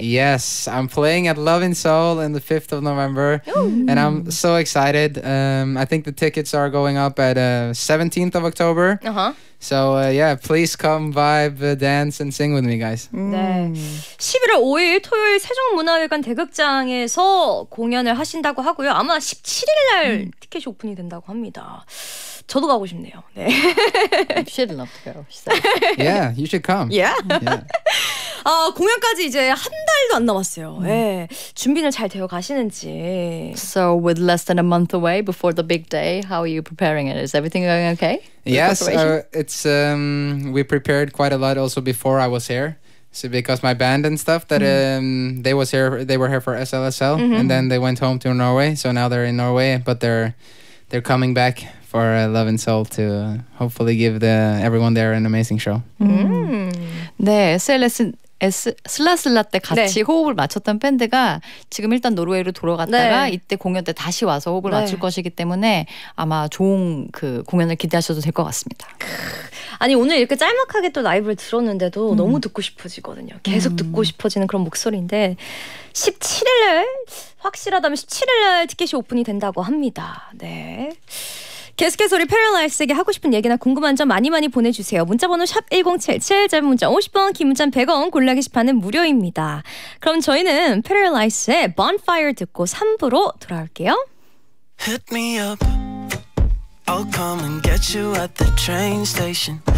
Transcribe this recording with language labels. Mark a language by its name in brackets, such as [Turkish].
[English] Yes, I'm playing at Love in Seoul on the 5th of November. Ooh. And I'm so excited. I think the tickets are going up at 17th of October. Uh-huh. So yeah, please come vibe, dance and sing with me, guys. [Korean] 네. 11월 5일 토요일 세종문화회관 대극장에서 공연을 하신다고 하고요. 아마 17일 날 티켓이 오픈이 된다고 합니다. 저도 가고 싶네요. 네. [English] She'd love to go. Yeah, you should come. Yeah. Yeah. [Korean] 공연까지 이제 한 달도 안 남았어요. 예. 준비는 잘 되어 가시는지. [English] So with less than a month away before the big day, how are you preparing it? Is everything going okay? Yes, it's we prepared quite a lot also before I was here. So because my band and stuff that they were here for SLSL and then they went home to Norway. So now they're in Norway, but they're coming back. For Love and Soul to hopefully give everyone there an amazing show. [Korean] 네, SLS 슬라슬라 때 같이 네. 호흡을 맞췄던 밴드가 지금 일단 노르웨이로 돌아갔다가 네. 이때 공연 때 다시 와서 호흡을 네. 맞출 것이기 때문에 아마 좋은 그 공연을 기대하셔도 될 것 같습니다. 아니 오늘 이렇게 짤막하게 또 라이브를 들었는데도 너무 듣고 싶어지거든요. 계속 듣고 싶어지는 그런 목소리인데 17일날 확실하다면 17일날 티켓이 오픈이 된다고 합니다. 네. 계속해서 우리 패럴라이스에게 하고 싶은 얘기나 궁금한 점 많이 많이 보내주세요. 문자번호 샵 1077, 짧은 문자 50원, 긴 문자 100원, 골라 게시판은 무료입니다. 그럼 저희는 패럴라이스의 Bonfire 듣고 3부로 돌아올게요. [English] Hit me up I'll come and get you at the train station.